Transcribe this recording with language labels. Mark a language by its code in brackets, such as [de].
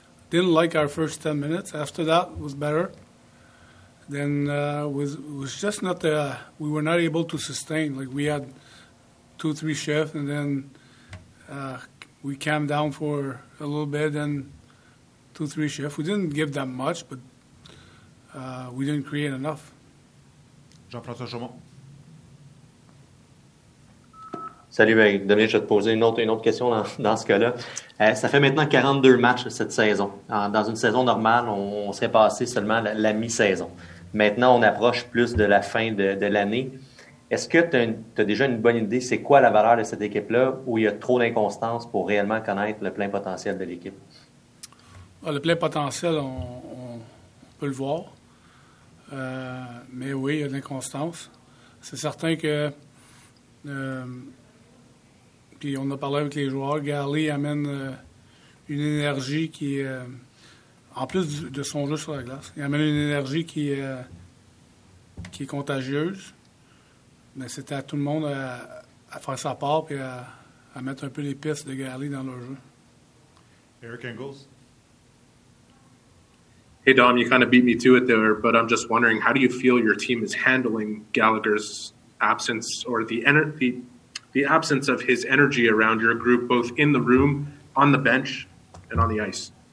[en] Didn't like our first 10 minutes. After that, it was better. Then was just not the, we were not able to sustain. Like, we had 2-3 shifts, and then we calmed down for a little bit, and 2-3 shifts. We didn't give that much, but we didn't create enough. Jean-François Chaumont. [fr] Salut, ben, Dominique, je vais te poser une autre question dans ce cas-là. Ça fait maintenant 42 matchs cette saison. Dans une saison normale, on serait passé seulement la mi-saison. Maintenant, on approche plus de la fin de l'année. Est-ce que tu as déjà une bonne idée, c'est quoi la valeur de cette équipe-là où il y a trop d'inconstance pour réellement connaître le plein potentiel de l'équipe? Le plein potentiel, on peut le voir. Mais oui, il y a de l'inconstance. C'est certain que... puis on a parlé avec les joueurs. Galley amène une énergie qui... en plus de son jeu sur la glace, il amène une énergie qui est contagieuse. Mais c'était à tout le monde à faire sa part puis à mettre un peu les pistes de Galley dans leur jeu. Eric Engels. [en] Hey, Dom, you kind of beat me to it there, but I'm just wondering, how do you feel your team is handling Gallagher's absence or the absence of his energy around your group, both in the room, on the bench, and on the ice?